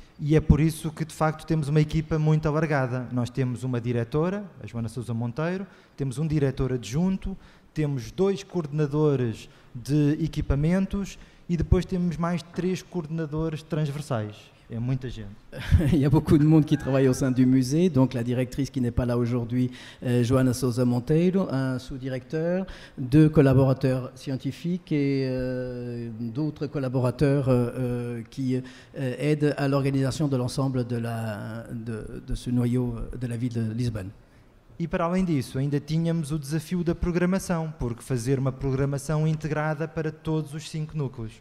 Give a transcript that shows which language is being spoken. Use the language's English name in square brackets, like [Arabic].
[Portuguese] E é por isso que, de facto, temos uma equipa muito alargada. Nós temos uma diretora, a Joana Sousa Monteiro, temos um diretor adjunto, temos dois coordenadores de equipamentos e depois temos mais três coordenadores transversais. [French] Il y a beaucoup de gens. Il y a beaucoup de monde qui travaille au sein du musée. Donc la directrice qui n'est pas là aujourd'hui, Joana Sousa Monteiro, un sous-directeur, deux collaborateurs scientifiques et d'autres collaborateurs qui aident à l'organisation de l'ensemble de, la, de ce noyau de la ville de Lisbonne. [Portuguese] Et par além disso, ainda tínhamos o desafio da programação, porque fazer uma programação integrada para todos os cinco núcleos.